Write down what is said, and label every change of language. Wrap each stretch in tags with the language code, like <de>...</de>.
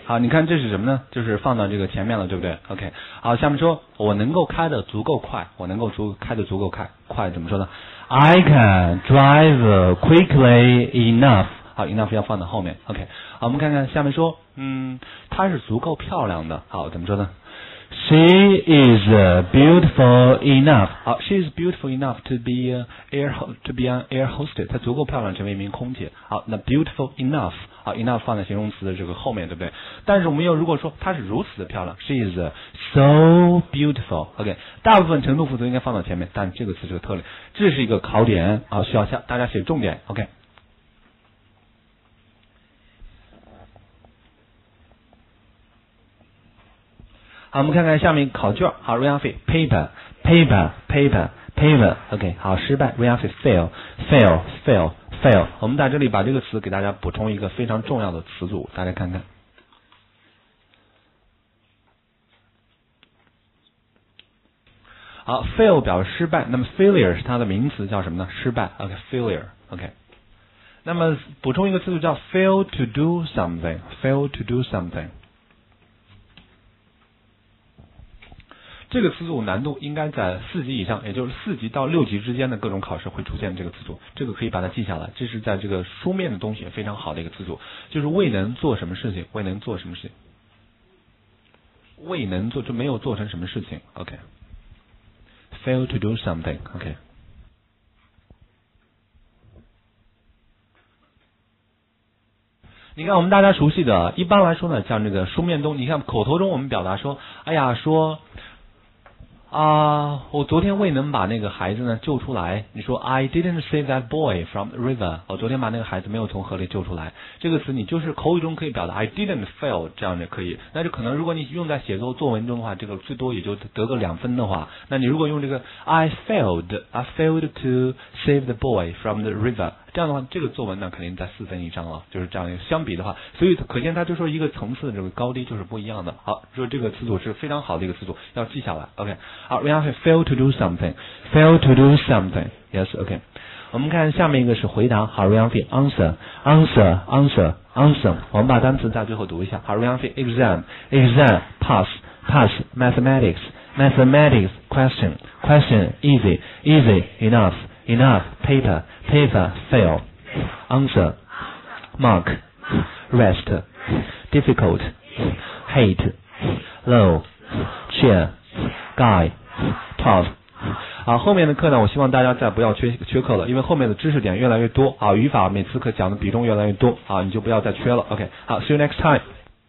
<zh>好，你看这是什么呢，就是放到这个前面了，对不对？OK， 好，下面说我能够开得足够快怎么说呢？</zh> <en>I can drive quickly enough。</en> <zh>好， enough 要放到后面。OK， 好，我们看看下面说它是足够漂亮的。好，怎么说呢？</zh> <en>She is beautiful enough. 好 ，She is beautiful enough to be an air hostess.</en> <zh>她足够漂亮，成为一名空姐。好，那 beautiful enough， 好 ，enough 放在形容词的这个后面，对不对？但是我们又如果说她是如此的漂亮 ，</zh> <en>She is so beautiful.</en> <zh>OK， 大部分程度副词应该放到前面，但这个词是个特例，这是一个考点啊，需要大家写重点。</zh> <en>OK。</en> <zh>好，我们看看下面考卷。好 ，</zh> <en>Rafi paper paper paper paper。</en> <zh>OK， 好，失败。</zh> <en>Rafi fail fail fail fail。</en> <zh>我们在这里把这个词给大家补充一个非常重要的词组，大家看看。好 ，fail 表示失败，那么 failure 是它的名词，叫什么呢？失败。OK， failure。 OK。那么补充一个词组叫</zh> <en>fail to do something， fail to do something。</en> <zh>这个词组难度应该在四级以上，也就是四级到六级之间的各种考试会出现这个词组，这个可以把它记下来。这是在这个书面的东西非常好的一个词组，就是未能做什么事情，未能做什么事情，未能做就没有做成什么事情。</zh> <en>OK， fail to do something。 OK。</en> <zh>你看我们大家熟悉的，一般来说呢，像这个书面东，你看口头中我们表达说，哎呀说。啊、我昨天未能把那个孩子呢救出来。你说</zh> <en>I didn't save that boy from the river。</en> <zh>我昨天把那个孩子没有从河里救出来。这个词你就是口语中可以表达</zh> <en>I didn't fail，</en> <zh>这样就可以。那就可能如果你用在写作作文中的话，这个最多也就得个两分的话。那你如果用这个</zh> <en>I failed to save the boy from the river，</en> <zh>这样的话，这个作文呢肯定在四分以上了，就是这样。相比的话，所以可见它就说一个层次的这个高低就是不一样的。好，说这个词组是非常好的一个词组，要记下来。</zh> <en>OK。好 ，we have fail to do something. Fail to do something. Yes, OK.</en> <zh>我们看下面一个是回答。</zh> <en>好 ，we have answer, answer, answer, answer.</en> <zh>我们把单词在最后读一下。</zh> <en>好 ，we have exam, exam, pass, pass, mathematics, mathematics, question, question, easy, easy, enough, enough, paper, paper, fail, answer, mark, rest, difficult, hate, low, cheer. Guy, Todd.</en> <zh>好，后面的课呢，我希望大家再不要缺课了，因为后面的知识点越来越多啊，语法每次课讲的比重越来越多啊，你就不要再缺了。OK， 好 ，</zh> <en>See you next time.</en>